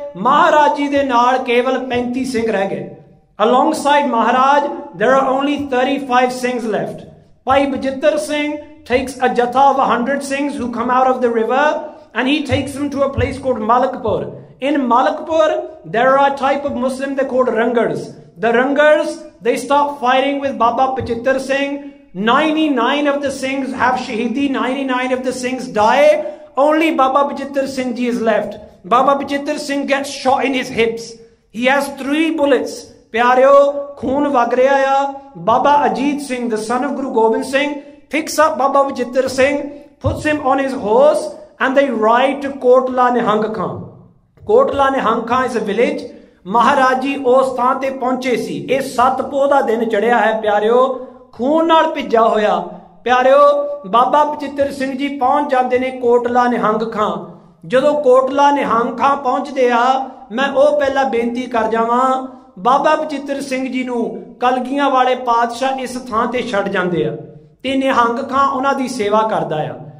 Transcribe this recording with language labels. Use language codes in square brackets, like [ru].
[pa] ਮਹਾਰਾਜ ਜੀ ਦੇ ਨਾਲ ਕੇਵਲ 35 ਸਿੰਘ ਰਹਿ ਗਏ। [en] Alongside Maharaj there are only 35 Singhs left. Bhai Bajittar Singh takes a jatha of 100 Singhs who come out of the river and he takes him to a place called Malakpur. In Malakpur there are a type of Muslim they called Rangars. The Rangars, they stop firing with Baba Pachitar Singh. 99 of the Singhs have Shahidi, 99 of the Singhs die. Only Baba Pachitar Singh ji is left. Baba Pachitar Singh gets shot in his hips. He has 3 bullets. [pa] Pyareo, khoon vag reha hai. [en] Baba Ajit Singh, the son of Guru Gobind Singh, picks up Baba Pachitar Singh, puts him on his horse, and they ride to Kotla Nihang Khan. Kotla Nihang Khan is a village. [pa] Maharaj ji ਉਸ ਥਾਂ ਤੇ ਪਹੁੰਚੇ ਸੀ। ਇਹ ਸੱਤ ਪੋਹ ਦਾ ਦਿਨ ਚੜਿਆ ਹੈ ਪਿਆਰਿਓ, ਖੂਨ ਨਾਲ ਭਿੱਜਾ ਹੋਇਆ ਪਿਆਰਿਓ। ਬਾਬਾ ਪਚਿੱਤਰ ਸਿੰਘ ਜੀ ਪਹੁੰਚ ਜਾਂਦੇ ਨੇ ਕੋਟਲਾ ਨਿਹੰਗ ਖਾਂ। ਜਦੋਂ ਕੋਟਲਾ ਨਿਹੰਗ ਖਾਂ ਪਹੁੰਚਦੇ ਆ, ਮੈਂ ਉਹ ਪਹਿਲਾਂ ਬੇਨਤੀ ਕਰ ਜਾਵਾਂ, ਬਾਬਾ ਪਚਿੱਤਰ ਸਿੰਘ ਜੀ ਨੂੰ ਕਲਗੀਆਂ ਵਾਲੇ ਪਾਤਸ਼ਾਹ ਇਸ ਥਾਂ ਤੇ ਛੱਡ ਜਾਂਦੇ ਆ ਤੇ ਨਿਹੰਗ ਖਾਂ ਉਹਨਾਂ ਦੀ ਸੇਵਾ ਕਰਦਾ ਆ।